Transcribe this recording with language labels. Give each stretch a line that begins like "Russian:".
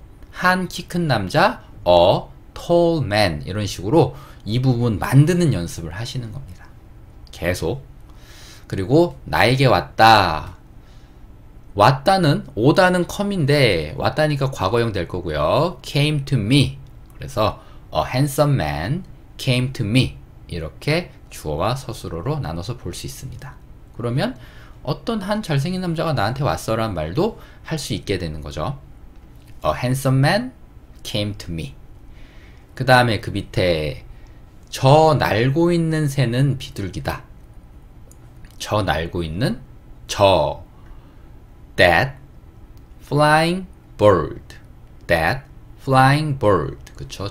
Korean: 한 키 큰 남자.
English: a tall man.
Korean: 이런 식으로 이 부분 만드는 연습을 하시는 겁니다. 계속. 그리고 나에게 왔다. 왔다는 오다는 come인데 왔다니까 과거형 될 거고요.
English: came to me.
Korean: 그래서
English: a handsome man came to me.
Korean: 이렇게 주어와 서술어로 나눠서 볼 수 있습니다. 그러면 어떤 한 잘생긴 남자가 나한테 왔어라는 말도 할 수 있게 되는 거죠.
English: A handsome man came to me.
Korean: 그 다음에 그 밑에 저 날고 있는 새는 비둘기다. 저 날고 있는 저
English: that flying bird. That flying bird.
Korean: 그쵸?